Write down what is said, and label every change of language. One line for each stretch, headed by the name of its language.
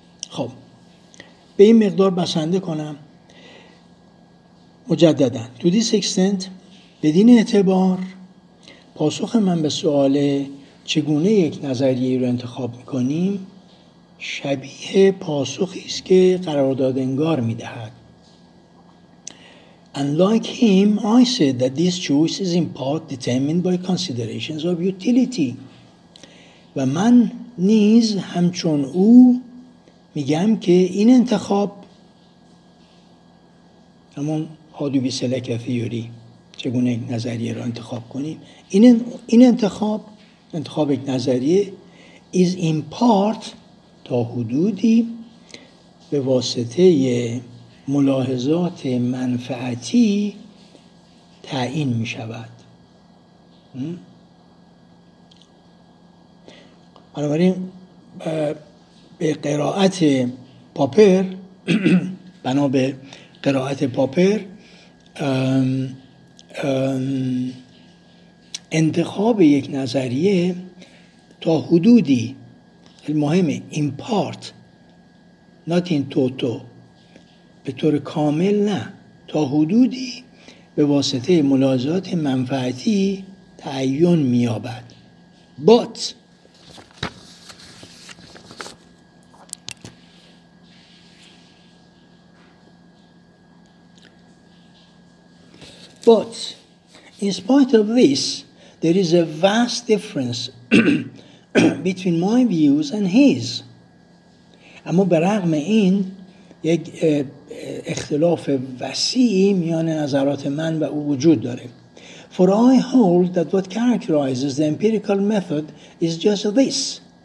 Persian: خب به این مقدار بسنده کنم. مجددا
English: to this extent,
Persian: بدین اعتبار پاسخ من به سؤال چگونه یک نظریه رو انتخاب میکنیم شبیه پاسخی است که قرارداد انگار میدهد.
English: And like him I said that this choice is in part determined by considerations of utility.
Persian: و من نیز همچون او میگم که این انتخاب، همون
English: how do we select a theory،
Persian: چگونه یک نظریه را انتخاب کنیم، این انتخاب، انتخاب یک نظریه،
English: is in part،
Persian: تا حدودی به واسطه ملاحظات منفعتی تعیین می شود. بنابراین به قرائت پاپر، بنابراین قرائت پاپر انتخاب یک نظریه تا حدودی مهمه،
English: این part not in toto,
Persian: به طور کامل نه، تا حدودی به واسطه ملاحظات منفعتی تعین میابد.
English: But But, in spite of this, there is a vast difference between my views and his.
Persian: اما برغم این، یک اختلاف وسیعی میان نظرات من و او وجود داره.
English: For I hold that what characterizes the empirical method is just this.